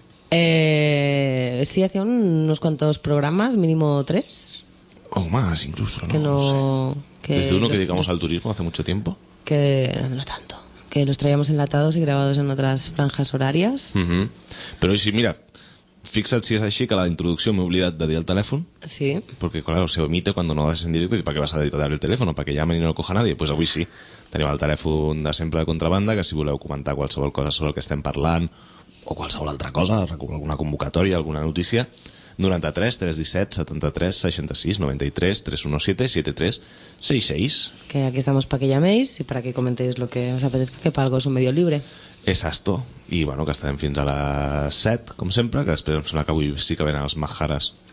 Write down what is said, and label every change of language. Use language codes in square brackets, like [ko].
[es] sí, hacía unos cuantos programas, mínimo tres. O más, incluso, ¿no? Que no sé. Que desde uno que dedicamos al turismo hace mucho tiempo. Que no tanto. Que los traíamos enlatados y grabados en otras franjas horarias. Uh-huh. [ca] Pero sí, mira, fixa't si és així, que a la introducció m'he oblidat de dir el telèfon. Sí. [es] Porque, claro, se omite cuando no vas en directo y para qué vas a editar el teléfono, para que llamen y no lo coja nadie. [ca] Pues avui sí, tenim el telèfon de sempre de Contrabanda, que si voleu comentar qualsevol cosa sobre el que estem parlant, o qualsevol altra cosa, alguna convocatòria, alguna notícia, 93 317 73 66 93 317 73 66. [es] Que aquí estamos para que llaméis y para que comentéis lo que os apetezca, que para algo es un medio libre. Exacto. [ca] Y bueno, que estarem fins a les 7, com sempre, que després em sembla que avui sí que venen els majares.